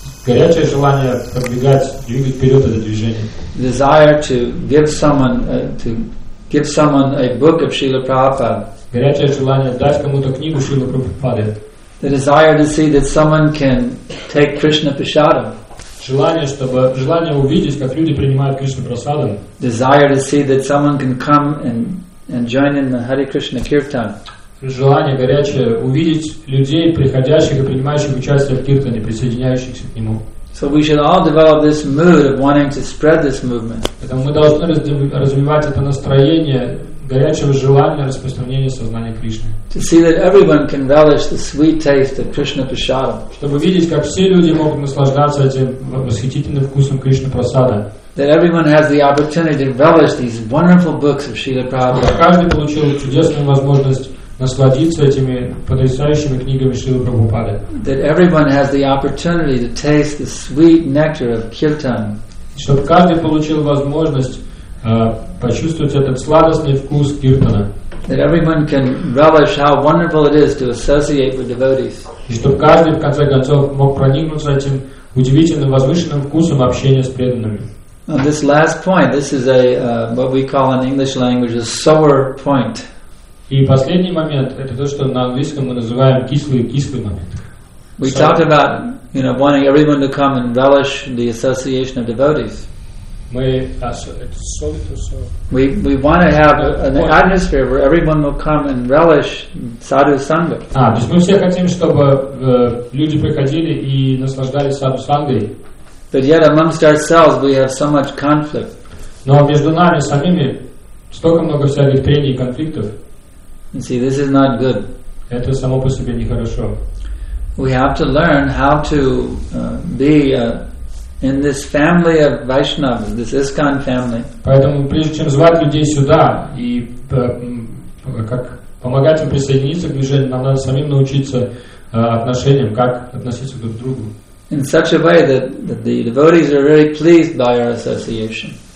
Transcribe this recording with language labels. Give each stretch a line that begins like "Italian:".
Russian: Горячее желание продвигать, двигать вперед это движение.
English: Desire to give someone a book of Srila Prabhupada.
Russian: Горячее желание дать кому-то книгу Шрилы Прабхупады.
English: The desire to see that someone can take Krishna prasadam.
Russian: Желание увидеть, как люди принимают Кришну прасадам.
English: Desire to see that someone can come and join in the Hare Krishna kirtan.
Russian: Желание горячее увидеть людей, приходящих и принимающих участие в киртане, присоединяющихся к нему.
English: So we should all develop this mood of wanting to spread this movement.
Russian: Поэтому мы должны развивать это настроение горячего желания распространения сознания Кришны.
English: To see that everyone can relish the sweet taste of Krishna prasadam.
Russian: Чтобы видеть, как все люди могут наслаждаться этим восхитительным вкусом Кришна прасада.
English: That everyone has the opportunity to relish these wonderful books of Srila Prabhupada.
Russian: Каждый получил чудесную возможность насладиться этими потрясающими книгами Шрилы Прабхупады.
English: That everyone has the opportunity to taste the sweet nectar of kirtan.
Russian: Чтобы каждый получил возможность почувствовать этот сладостный вкус киртана.
English: That everyone can relish how wonderful it is to associate with devotees.
Russian: И чтобы каждый в конце концов мог проникнуться этим удивительным возвышенным вкусом общения с преданными.
English: On this last point, this is what we call in English language a sour point.
Russian: И последний момент это то, что на английском мы называем кислый момент.
English: We talk about, you know, wanting everyone to come and relish the association of devotees. We want to have an atmosphere where everyone will come and relish sadhu sangha.
Russian: То есть мы все хотим, чтобы люди приходили и наслаждались саду сангой.
English: But yet amongst ourselves we have so much conflict.
Russian: Но между нами самими столько много всяких трений и конфликтов.
English: And see, this is not good.
Russian: Это само по себе нехорошо.
English: We have to learn how to be in this family of Vaishnavas, this ISKCON family.
Russian: Поэтому прежде чем звать людей сюда и как помогать им присоединиться к движению, нам надо самим научиться отношениям, как относиться друг к другу.
English: In such a way that the devotees are very pleased by our association.